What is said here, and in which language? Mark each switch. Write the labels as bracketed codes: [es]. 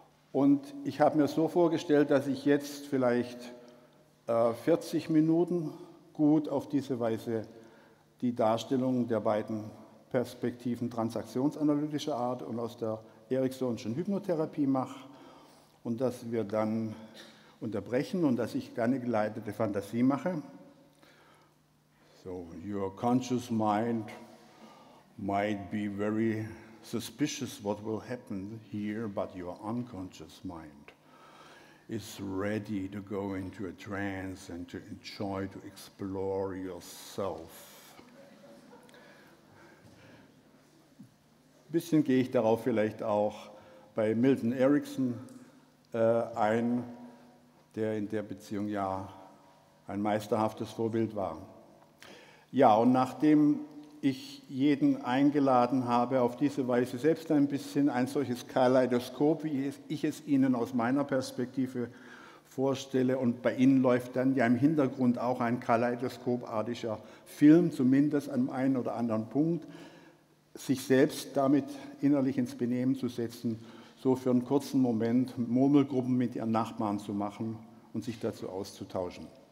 [de] Und ich habe mir so vorgestellt, dass ich jetzt vielleicht 40 Minuten gut auf diese Weise die Darstellung der beiden Perspektiven transaktionsanalytischer Art und aus der Ericksonschen Hypnotherapie mache und dass wir dann unterbrechen und dass ich gerne geleitete Fantasie mache. [en] So, your conscious mind might be very suspicious what will happen here, but your unconscious mind is ready to go into a trance and to enjoy, to explore yourself. [de] Ein bisschen gehe ich darauf vielleicht auch bei Milton Erickson ein, der in der Beziehung ja ein meisterhaftes Vorbild war. Ja, und nachdem ich jeden eingeladen habe, auf diese Weise selbst ein bisschen ein solches Kaleidoskop, wie ich es Ihnen aus meiner Perspektive vorstelle, und bei Ihnen läuft dann ja im Hintergrund auch ein kaleidoskopartiger Film, zumindest an einem oder anderen Punkt, sich selbst damit innerlich ins Benehmen zu setzen, so für einen kurzen Moment Murmelgruppen mit ihren Nachbarn zu machen und sich dazu auszutauschen.